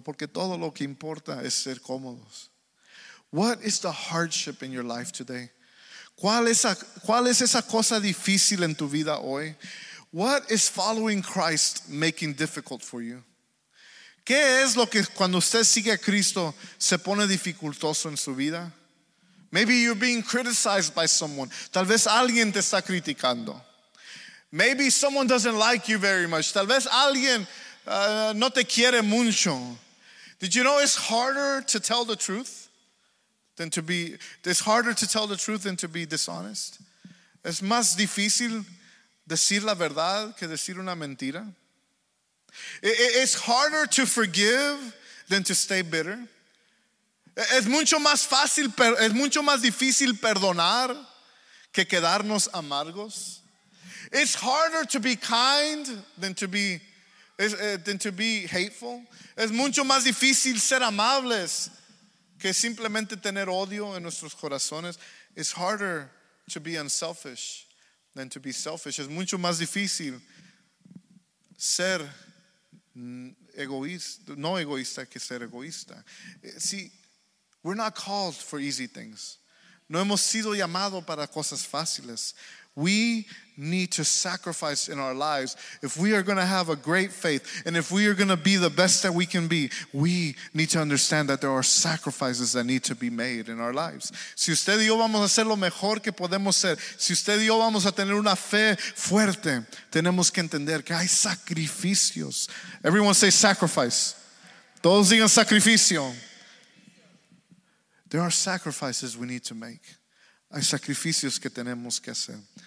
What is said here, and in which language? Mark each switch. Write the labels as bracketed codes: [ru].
[es] Porque todo lo que importa es ser cómodos. [en] What is the hardship in your life today? [es] ¿Cuál es esa cosa difícil en tu vida hoy? [en] What is following Christ making difficult for you? [es] ¿Qué es lo que cuando usted sigue a Cristo se pone dificultoso en su vida? [en] Maybe you're being criticized by someone. [es] Tal vez alguien te está criticando. [en] Maybe someone doesn't like you very much. [es] Tal vez alguien no te quiere mucho. [en] Did you know it's harder to tell the truth than to be, it's harder to tell the truth than to be dishonest? [es] Es más difícil decir la verdad que decir una mentira. [en] It's harder to forgive than to stay bitter. [es] Es mucho más difícil perdonar que quedarnos amargos. [en] It's harder to be kind than to be hateful. [es] Es mucho más difícil ser amables que simplemente tener odio en nuestros corazones. [en] It's harder to be unselfish than to be selfish. [es] Es mucho más difícil ser egoísta, no egoísta, que ser egoísta. [en] See, we're not called for easy things. [es] No hemos sido llamado para cosas fáciles. [en] We need to sacrifice in our lives. If we are going to have a great faith, and if we are going to be the best that we can be, we need to understand that there are sacrifices that need to be made in our lives. [es] Si usted y yo vamos a ser lo mejor que podemos ser, si usted y yo vamos a tener una fe fuerte, tenemos que entender que hay sacrificios. [en] Everyone say sacrifice. [es] Todos digan sacrificio. [en] There are sacrifices we need to make. [es] Hay sacrificios que tenemos que hacer.